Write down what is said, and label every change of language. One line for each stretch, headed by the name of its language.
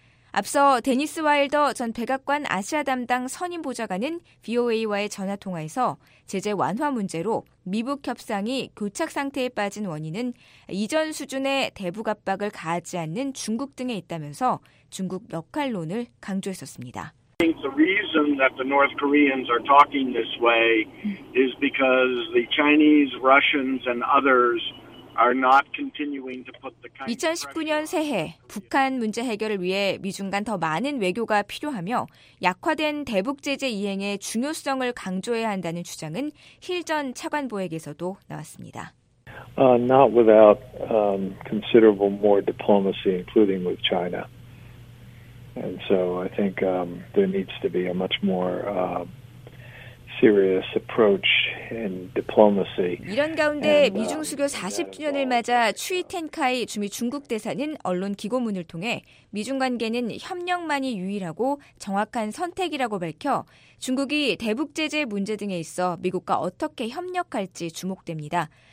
Korean: 앞서 데니스 와일더 전 백악관 아시아 담당 선임 보좌관은 VOA와의 전화통화에서 제재 완화 문제로 미북 협상이 교착 상태에 빠진 원인은 이전 수준의 대북 압박을 가하지 않는 중국 등에 있다면서 중국 역할론을 강조했었습니다.
English: The reason that the North Koreans are talking this way is because the Chinese, Russians and others
Korean: 2019년 새해 북한 문제 해결을 위해 미중 간 더 많은 외교가 필요하며 약화된 대북 제재 이행의 중요성을 강조해야 한다는 주장은 힐 전 차관보에게서도 나왔습니다.
English: Not without considerable more diplomacy, including with China. And so I think there needs to be a much more serious approach in diplomacy.
Korean: 이런 가운데 미중 수교 40주년을 맞아 추이 텐카이 주미 중국 대사는 언론 기고문을 통해 미중 관계는 협력만이 유일하고 정확한 선택이라고 밝혀 중국이 대북 제재 문제 등에 있어 미국과 어떻게 협력할지 주목됩니다.